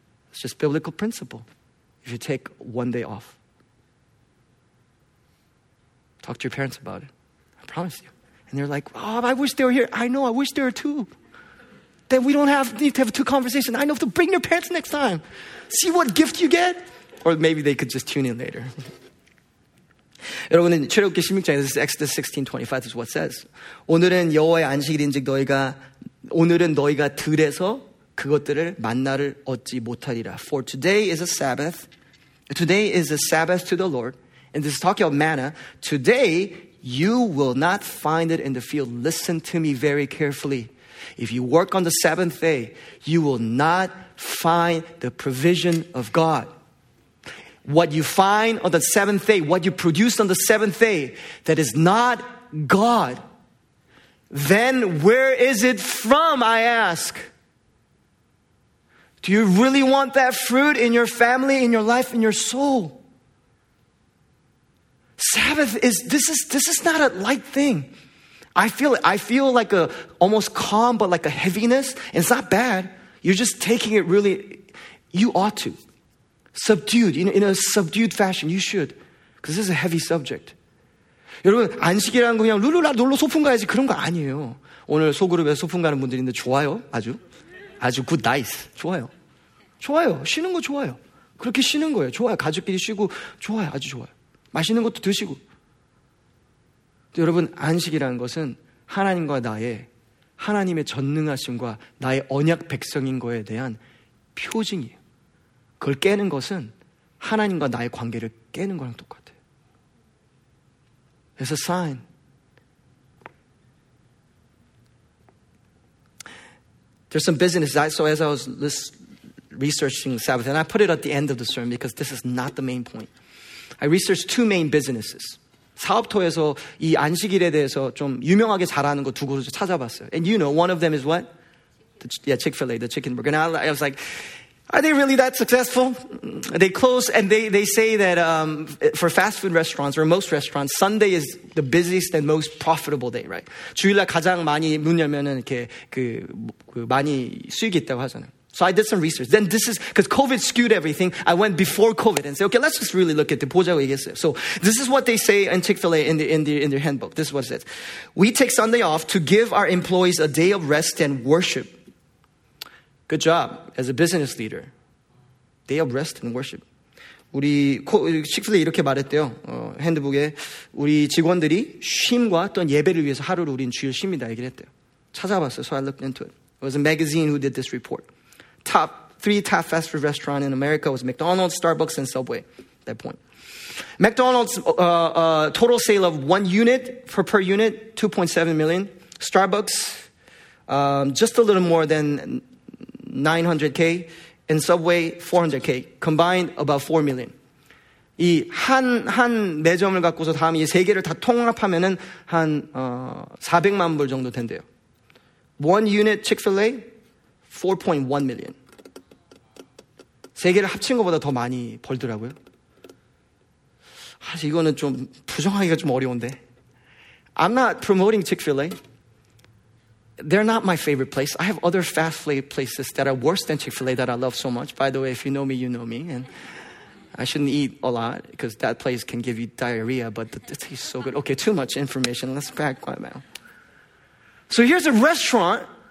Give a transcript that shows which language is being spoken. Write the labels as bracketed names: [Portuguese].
[English] It's just biblical principle. If you take one day off, talk to your parents about it. I promise you. And they're like, oh, I wish they were here. I know, I wish they were too. Then we don't have need to have two conversations. I know, to bring your parents next time. See what gift you get. Or maybe they could just tune in later. [Korean] 여러분, 출애굽기 16장에서 [English] this is Exodus 16:25, this is what it says. [Korean] 오늘은 여호와의 안식일인즉 너희가 오늘은 너희가 들에서 그것들을 만나를 얻지 못하리라. [English] For today is a Sabbath. Today is a Sabbath to the Lord. And this is talking about manna. Today, you will not find it in the field. Listen to me very carefully. If you work on the seventh day, you will not find the provision of God. What you find on the seventh day, what you produce on the seventh day, that is not God. Then where is it from, I ask? Do you really want that fruit in your family, in your life, in your soul? Sabbath is, this is not a light thing. I feel like a almost calm, but like a heaviness. And it's not bad. You're just taking it really, you ought to. Subdued, you know, in a subdued fashion, you should. Because this is a heavy subject. [Korean] 여러분, 안식이라는 거 그냥 룰루라 놀러 소풍 가야지 그런 거 아니에요. 오늘 소그룹에서 소풍 가는 분들 있는데 좋아요, 아주. 아주 굿, 나이스. 좋아요. 좋아요. 쉬는 거 좋아요. 그렇게 쉬는 거예요. 좋아요. 가족끼리 쉬고 좋아요. 아주 좋아요. 맛있는 것도 드시고. 여러분, 안식이라는 것은 하나님과 나의, 하나님의 전능하심과 나의 언약 백성인 거에 대한 표징이에요. 그걸 깨는 것은 하나님과 나의 관계를 깨는 거랑 똑같아요. [English] is a sign. There's some business. So as I was researching Sabbath, and I put it at the end of the sermon because this is not the main point. I researched two main businesses. [Korean] 사업터에서 이 안식일에 대해서 좀 유명하게 잘하는 거 두 곳을 찾아봤어요. [English] And you know, one of them is what? Chick-fil-A, the chicken burger. And I was like, are they really that successful? They close, and they say that for fast food restaurants, or most restaurants, Sunday is the busiest and most profitable day, right? [Korean] 주일날 가장 많이 문 열면은 이렇게 그 많이 수익이 있다고 하잖아요. [English] So I did some research. Then this is, because COVID skewed everything, I went before COVID and said, okay, let's just really look at the [Korean] 보자고 얘기했어요. [English] So this is what they say in Chick-fil-A in their handbook. This is what it says. We take Sunday off to give our employees a day of rest and worship. Good job as a business leader. Day of rest and worship. [Korean] 우리 Chick-fil-A 이렇게 말했대요. 핸드북에 우리 직원들이 쉼과 어떤 예배를 위해서 하루를 우린 주일 쉽니다 얘기를 했대요. 찾아봤어요. [English] So I looked into it. It was a magazine who did this report. Top fast food restaurant in America was McDonald's, Starbucks, and Subway at that point. McDonald's total sale of one unit per unit, 2.7 million. Starbucks, just a little more than 900K. And Subway, 400K. Combined, about 4 million. [Korean] 이 한 매점을 갖고서 다음 이 세 개를 다 통합하면은 한 400만 불 정도 된대요. [English] One unit Chick-fil-A, 4.1 million. [Korean] 세 개를 합친 것보다 더 많이 벌더라고요. 사실 이거는 좀 부정하기가 좀 어려운데. [English] I'm not promoting Chick-fil-A. They're not my favorite place. I have other fast food places that are worse than Chick-fil-A that I love so much. By the way, if you know me, you know me. And I shouldn't eat a lot because that place can give you diarrhea, but it tastes so good. Okay, too much information. Let's back quite well. So here's a restaurant.